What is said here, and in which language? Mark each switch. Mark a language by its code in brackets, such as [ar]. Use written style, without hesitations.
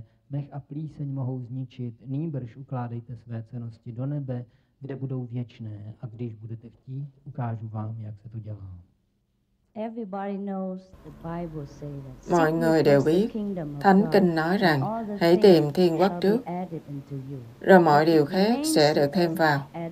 [cs] Mech a plíseň mohou zničit, nýbrž ukládejte své cennosti do nebe, kde budou věčné. A když budete chtít, ukážu vám, jak se to dělá. [en] Everybody knows the Bible says that. [vi] Mọi người đều biết, Thánh Kinh nói rằng, hãy tìm Thiên Quốc trước, rồi mọi điều khác sẽ được thêm vào.